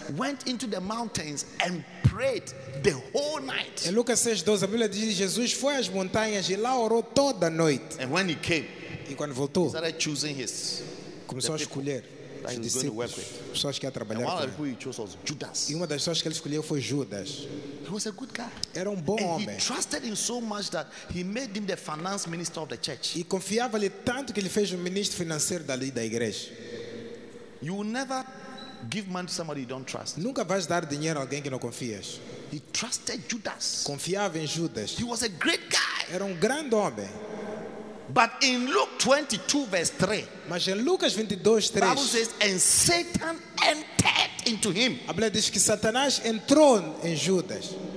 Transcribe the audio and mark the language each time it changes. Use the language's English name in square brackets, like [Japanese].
[English] went into the mountains and prayed the whole night. [Portuguese] Em Lucas 6:12, a Bíblia diz que Jesus foi às montanhas e lá orou toda a noite. [English] And when he came, [Portuguese] e quando voltou, [English] he started choosing his, [Portuguese] começou a escolher pessoas que ia trabalhar [English] and [Portuguese] com ele. [English] He chose was Judas. [Portuguese] E uma das pessoas que ele escolheu foi Judas. [English] He was a good guy. [Portuguese] Era bom homem. [English] And he trusted him so much that he made him the finance minister of the church. [Portuguese] E confiava-lhe tanto que ele fez o ministro financeiro dali da igreja. [English] You will never give money to somebody you don't trust. [Portuguese] Nunca vais dar dinheiro a alguém que não confias. [English] He trusted Judas. [Portuguese] Confiava em Judas. [English] He was a great guy. [Portuguese] Era grande homem. [English] But in Luke 22, verse 3, [Portuguese] mas em Lucas 22:3, [English] Bible says, and Satan entered into him. [Portuguese] A Bíblia diz que Satanás entrou em Judas.